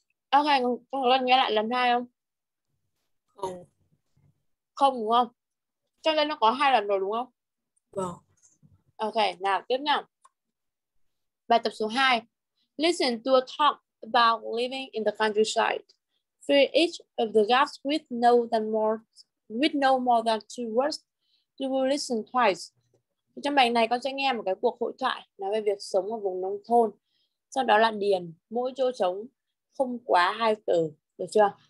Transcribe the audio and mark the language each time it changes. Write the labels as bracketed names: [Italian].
[Vietnamese] Ok, con có nghe lại lần hai không? Không. Không đúng không? Cho nên nó có hai lần rồi đúng không? Vâng. Ok, nào tiếp nhau. Bài tập số 2. [English] Listen to a talk about living in the countryside. For each of the guests with no more than two words, you will listen twice. [Vietnamese] Trong bài này con sẽ nghe một cái cuộc hội thoại nói về việc sống ở vùng nông thôn. Sau đó là điền mỗi chỗ trống không quá hai từ, được chưa?